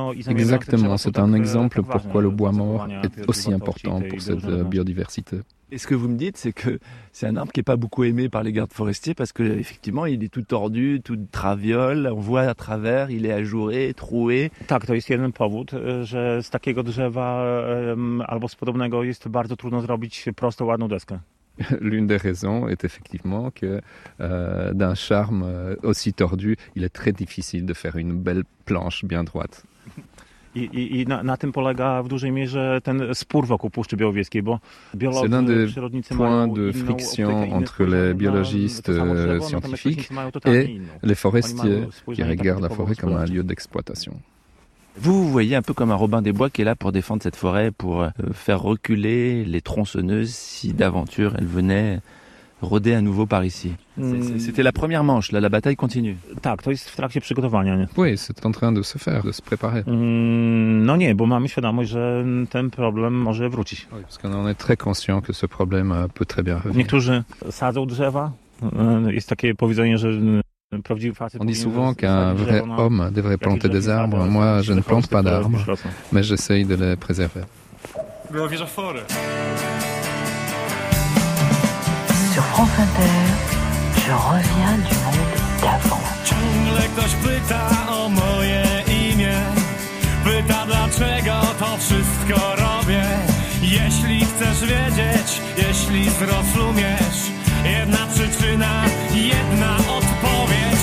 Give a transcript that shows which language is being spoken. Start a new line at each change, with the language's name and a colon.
French: Exactement, c'est un exemple pourquoi le bois mort est aussi important pour cette biodiversité. Et ce que vous me dites, c'est que c'est un arbre qui n'est pas beaucoup aimé par les gardes forestiers parce qu'effectivement, il est tout tordu, tout traviole, on voit à travers, il est ajouré, troué.
Polish: Tak, to jest jeden powód, że z takiego drzewa albo z podobnego jest bardzo trudno zrobić prostą, ładną deskę.
French: L'une des raisons est effectivement que d'un charme aussi tordu, il est très difficile de faire une belle planche bien droite.
Polish: I na tym polega w dużej mierze ten spór wokół Puszczy Białowieskiej, bo biolodzy, przyrodnicy mają inną optykę.
French: C'est un des points de friction entre les biologistes scientifiques et les forestiers qui regardent la forêt comme un lieu d'exploitation. Vous vous voyez un peu comme un Robin des Bois qui est là pour défendre cette forêt, pour faire reculer les tronçonneuses si d'aventure elles venaient rôder à nouveau par ici. C'était la première manche, là, la bataille continue.
Polish: Tak, to jest w trakcie przygotowania, nie?
French: Oui, c'est en train de se faire, de se préparer.
Polish: No nie, bo mamy świadomość, że ten problem może wrócić.
French: Oui, parce qu'on est très conscient que ce problème peut très bien revenir.
Polish: Niektórzy sadzą drzewa, jest takie powiedzenie, że...
French: On dit souvent qu'un vrai homme devrait planter des arbres. Moi, je ne plante pas d'arbres, mais j'essaye de les préserver. Sur France Inter, je reviens du monde d'avant.
Polish: Ciągle ktoś pyta o moje imię. Pyta, dlaczego to wszystko robię. Jeśli chcesz wiedzieć, jeśli zrozumiesz, jedna przyczyna, jedna odpowiedź.